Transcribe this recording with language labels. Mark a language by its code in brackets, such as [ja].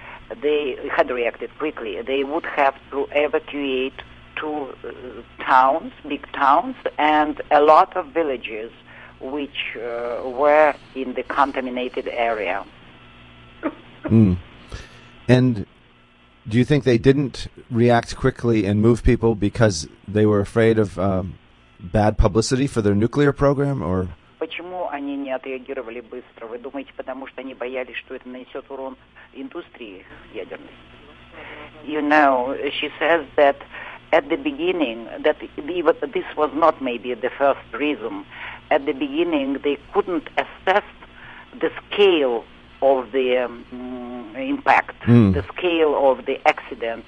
[en] If they had reacted quickly, they would have to evacuate to towns, big towns, and a lot of villages which were in the contaminated area. Mm. And do you think they didn't react quickly and move people because they were afraid of bad publicity for their nuclear program, or? [ru] Почему они не отреагировали быстро? Вы думаете, потому что они боялись, что это нанесет урон индустрии ядерной? [en] You know, she says that at the beginning, that this was not maybe the first reason. At the beginning, they couldn't assess the scale of the impact, the scale of the accident.